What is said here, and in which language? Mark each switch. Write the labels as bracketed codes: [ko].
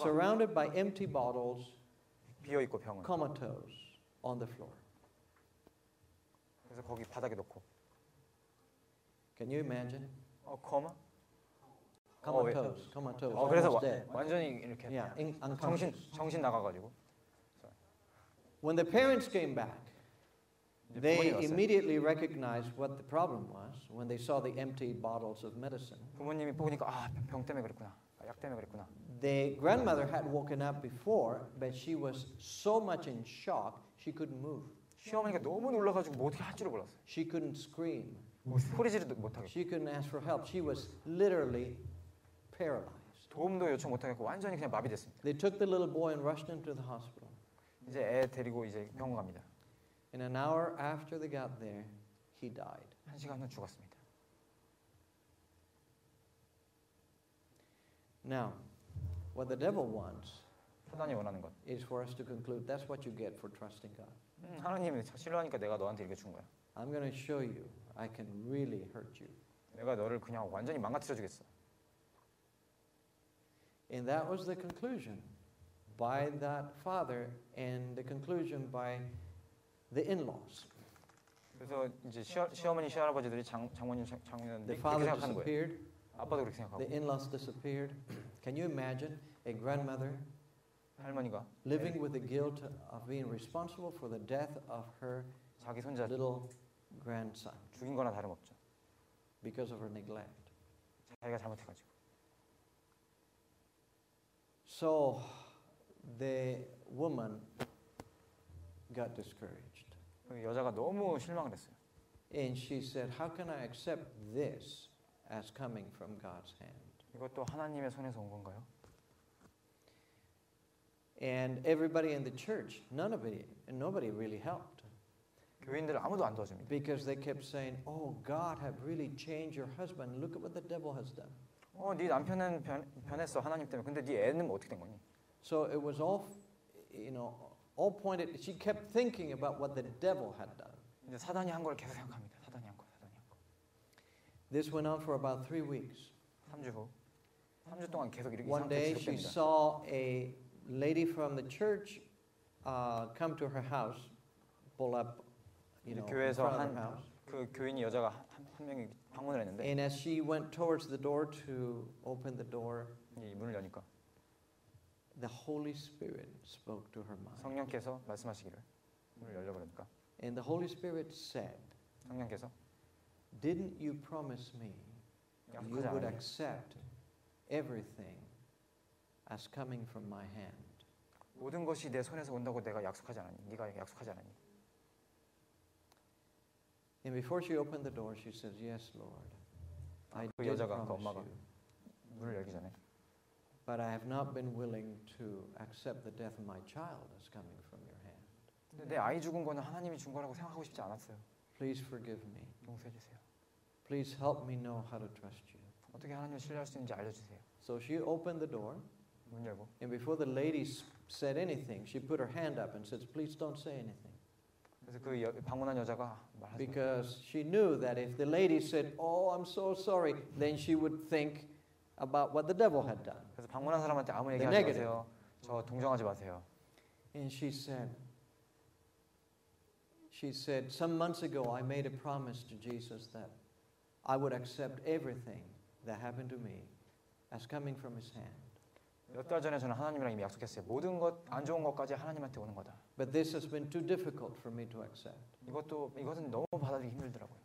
[en] surrounded by empty bottles, [ko] 비어 있고 병은 [en] comatose on the floor. [ko] 그래서 거기 바닥에 놓고. [en] Can you imagine? [ko] 어, coma? [en] Comatose. Comatose. [ko] 어, 그래서 완전히 이렇게 [en] yeah, [ko] 정신 나가 가지고. [en] When the parents came back, they immediately recognized what the problem was when they saw the empty bottles of medicine. [ko] 부모님이 보니까 아, 병 때문에 그랬구나. 약 때문에 그랬구나. [en] The grandmother had woken up before, but she was so much in shock she couldn't move. [ko] 시어머니가 너무 놀라가지고 뭐 어떻게 할 줄을 몰랐어요. [en] She couldn't scream. [ko] 소리 지르도 못하고. [en] She couldn't ask for help. She was literally paralyzed. [ko] 도움도 요청 못하겠고 완전히 그냥 마비됐습니다. [en] They took the little boy and rushed him to the hospital. [ko] 이제 애 데리고 이제 병원 갑니다. [en] In an hour after they got there, he died. [ko] 한 시간 후 죽었습니다. [en] Now, what the devil wants [ko] 사단이 원하는 것 [en] is for us to conclude that's what you get for trusting God. [ko] 하나님이 신뢰하니까 내가 너한테 이렇게 준 거야. [en] I'm going to show you I can really hurt you. [ko] 내가 너를 그냥 완전히 망가뜨려 주겠어. [en] And that was the conclusion by that father and the conclusion by the in-laws. [ko] 그래서 이제 시어머니 시할아버지들이 장모님 장모님 [en] the father disappeared. [ko] 아빠도 그렇게 생각하고. [en] The in-laws disappeared. Can you imagine a grandmother [ko] 할머니가 [en] living with the guilt of being responsible for the death of her [ko] 자기 손자 [en] little grandson. [ko] 죽인 거나 다름없죠. [en] Because of her neglect. [ko] 자기가 잘못해 가지고. [en] So the woman got discouraged. [ko] 여자가 너무 실망을 했어요. [en] And she said, "How can I accept this?" as coming from God's hand. [ko] 이것도 하나님의 손에서 온 건가요? [en] And everybody in the church, nobody really helped. [ko] 교인들 아무도 안 도와줍니다. [en] Because they kept saying, "Oh, God have really changed your husband. Look at what the devil has done." [ko] 어, 네 남편은 변했어 하나님 때문에. 근데 네 애는 어떻게 된 거니? [en] So it was all, you know, all pointed. She kept thinking about what the devil had done. [ko] 이제 사단이 한 걸 계속 생각합니다. 사단이 한 거. [en] This went on for about 3 weeks. [ko] 3주 후. 3주 동안 계속 이렇게 [en] One day she saw a lady from the church come to her house, pull up, you know, in front of her house. [ko] 그 교인이 여자가 한 명이 방문을 했는데. [en] And as she went towards the door to open the door, [ko] 문을 여니까. [en] The Holy Spirit spoke to her mind. [ko] 성령께서 말씀하시기를 문을 열려버리니까. [en] And the Holy Spirit said. [ko] 성령께서. [en] Didn't you promise me you would accept everything as coming from my hand? [ko] 모든 것이 내 손에서 온다고 내가 약속하지 않았니? 네가 약속하지 않았니? [en] And before she opened the door, she says, "Yes, Lord." [ko] 아, 그 여자가 그 엄마가 문을 열기 전에. [en] But I have not been willing to accept the death of my child as coming from your hand. [ko] 근데 내 아이 죽은 거는 하나님이 준 거라고 생각하고 싶지 않았어요. [en] Please forgive me. [ko] 용서해 주세요. [en] Please help me know how to trust you. [ko] 어떻게 하나님을 신뢰할 수 있는지 알려주세요. [en] So she opened the door. [ko] 문 열고. [en] And before the lady said anything, she put her hand up and said, "Please don't say anything." [ko] 그래서 그 방문한 여자가 말하죠. [en] Because she knew that if the lady said, "Oh, I'm so sorry," then she would think about what the devil had done. [ko] 그래서 방문한 사람한테 아무 얘기하지 마세요. 저 동정하지 마세요. [en] And she said, "Some months ago, I made a promise to Jesus that I would accept everything that happened to me as coming from His hand." [ko] 몇 달 전에 저는 하나님이랑 이미 약속했어요. 모든 것 안 좋은 것까지 하나님한테 오는 거다. [en] But this has been too difficult for me to accept. [ko] 이것은 너무 받아들이기 힘들더라고요.